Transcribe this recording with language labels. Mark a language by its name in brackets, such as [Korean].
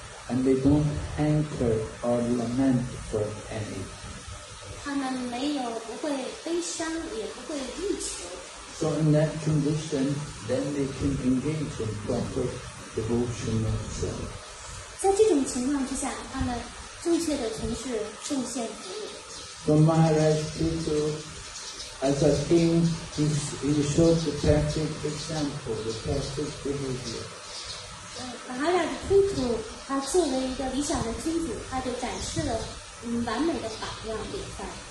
[English] And they don't hanker or lament for anything. [Chinese] 他们没有不会悲伤，也不会欲求。 [English] So in that condition, then they can engage in proper devotional service. [Chinese] 在这种情况之下，他们正确的从事正献服务。 [English] So Maharaj Pitu, as a king, he showed the perfect example, the perfect behavior. [Chinese] Maharaj Pitu, 他作为一个理想的君主，他就展示了完美的榜样典范。